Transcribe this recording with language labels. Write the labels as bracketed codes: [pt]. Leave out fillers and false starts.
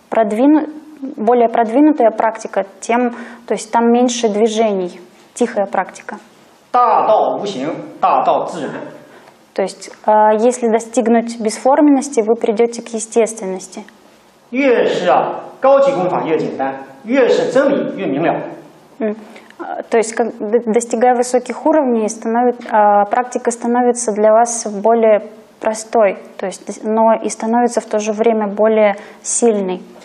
[ru] Чем более продвинутая практика, тем, то есть там меньше движений, тихая практика. [zh] 大道无形，大道自然。 [ru] То есть, если достигнуть бесформенности, вы придете к естественности. [zh] 越是高级功法越简单，越是真理越明了。 [ru] То есть, достигая высоких уровней, практика становится для вас более простой, то есть, но и становится в то же время более сильной.